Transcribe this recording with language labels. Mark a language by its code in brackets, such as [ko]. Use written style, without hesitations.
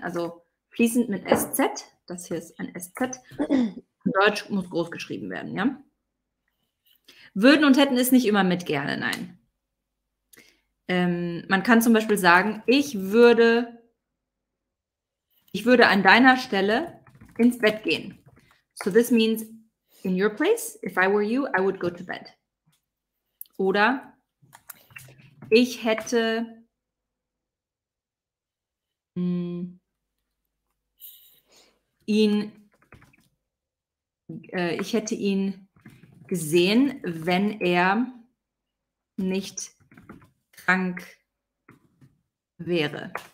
[de] Also fließend mit SZ, das hier ist ein SZ. Deutsch muss groß geschrieben werden, ja? Würden und hätten ist nicht immer mit gerne, nein. Man kann zum Beispiel sagen, ich würde an deiner Stelle ins Bett gehen. [en] So this means, in your place, if I were you, I would go to bed. [de] Oder ich hätte ihn gesehen, wenn er nicht krank wäre.